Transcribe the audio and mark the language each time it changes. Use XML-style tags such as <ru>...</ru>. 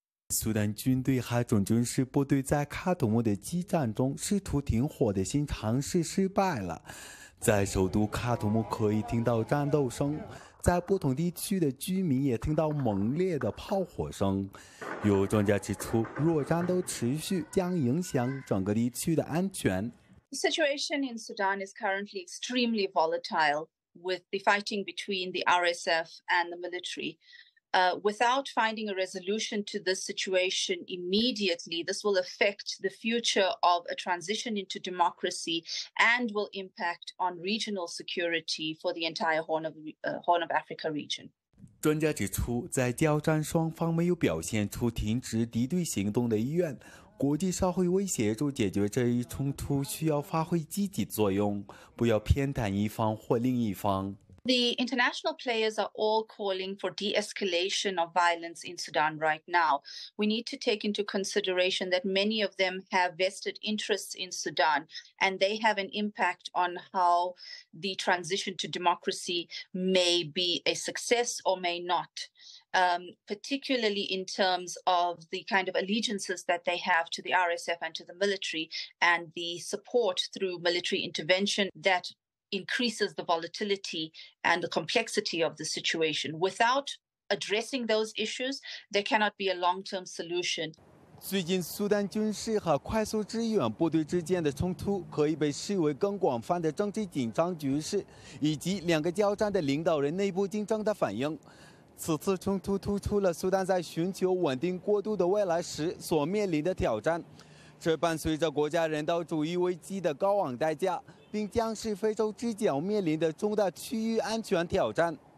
<zh>苏丹军队和总军事部队在喀土穆的激战中试图停火的新尝试失败了。在首都喀土穆可以听到战斗声，在不同地区的居民也听到猛烈的炮火声。有专家指出，若战斗持续，将影响整个地区的安全。</zh> <en>The situation in Sudan is currently extremely volatile with the fighting between the RSF and the military. Without finding a resolution to this situation immediately, this will affect the future of a transition into democracy and will impact on regional security for the entire Horn of Africa region.</en> <zh>专家指出，在交战双方没有表现出停止敌对行动的意愿，国际社会威胁助解决这一冲突需要发挥积极作用，不要偏袒一方或另一方。</zh> <en>The international players are all calling for de-escalation of violence in Sudan right now. We need to take into consideration that many of them have vested interests in Sudan, and they have an impact on how the transition to democracy may be a success or may not, particularly in terms of the kind of allegiances that they have to the RSF and to the military, and the support through military intervention that increases the volatility and the complexity of the situation. Without addressing those issues, there cannot be a long-term solution.</en> <zh>最近苏丹军事和快速支援部队之间的冲突可以被视为更广泛的政治紧张局势，以及两个交战的领导人内部竞争的反应。此次冲突突出了苏丹在寻求稳定过渡的未来时所面临的挑战，这伴随着国家人道主义危机的高昂代价，并将是非洲之角面临的重大区域安全挑战。</zh>